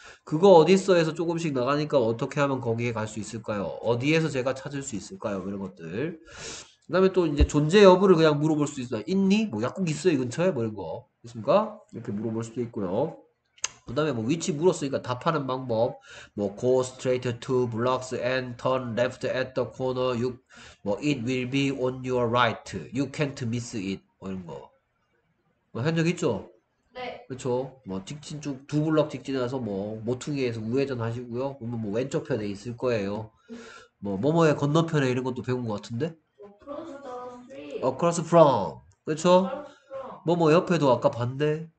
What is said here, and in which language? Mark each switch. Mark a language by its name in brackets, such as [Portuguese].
[Korean] 그거 어딨어에서 조금씩 나가니까 어떻게 하면 거기에 갈수 있을까요? 어디에서 제가 찾을 수 있을까요? 이런 것들. 그다음에 또 이제 존재 여부를 그냥 물어볼 수 있어요. 있니? 뭐 약국 있어요? 이 근처에? 뭐 이런 거. 있습니까? 이렇게 물어볼 수도 있고요. 그다음에 뭐 위치 물었으니까 답하는 방법. [English] 뭐 go straight two blocks and turn left at the corner. You 뭐 it will be on your right. You can't miss it. [Korean] 뭐 이런 거. 뭐한적 있죠? 그렇죠. 뭐 직진 쭉두 블럭 직진해서 뭐 모퉁이에서 우회전 하시고요. 그러면 뭐 왼쪽 편에 있을 거예요. 뭐 뭐뭐의 건너편에 이런 것도 배운 것 같은데. [English] Across the street. Across from. 그렇죠. Across from. [Korean] 뭐뭐 옆에도 아까 봤네.